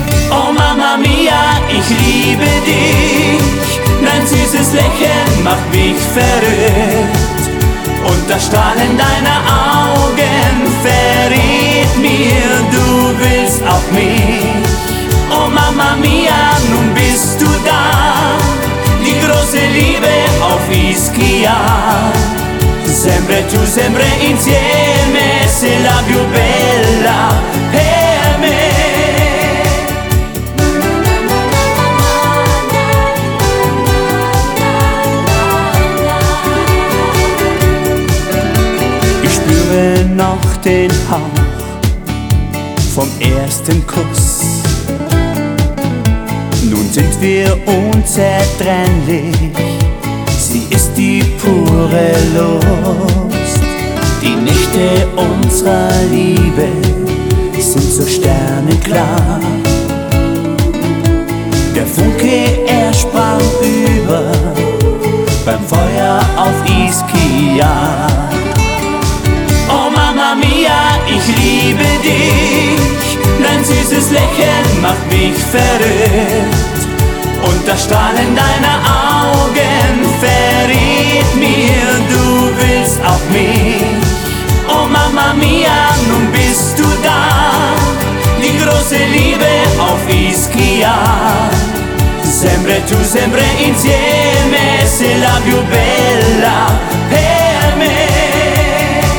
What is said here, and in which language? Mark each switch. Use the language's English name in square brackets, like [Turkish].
[German] Oh Mama Mia, ich liebe dich, dein süßes Lächeln macht mich verrückt. Und das Strahlen deiner Augen verrät mir, du willst auch mich. Oh Mama Mia, nun bist du da, die große Liebe auf Ischia. [Italian] Sempre tu, sempre insieme, sei la più bella per me. [German] Ich spüre noch den Hauch vom ersten Kuss. Nun sind wir unzertrennlich, sie ist die pure Lust. Die Nächte unserer Liebe sind so sternenklar. Der Funke, er sprang über beim Feuer auf Ischia. Oh Mama Mia, ich liebe dich, dein süßes Lächeln macht mich verrückt. Und das Strahlen deiner Augen verrät mir, du willst auch mich. Oh Mama Mia, nun bist du da, die große Liebe auf Ischia. [Italian] Sempre tu, sempre insieme, sei la più bella per me.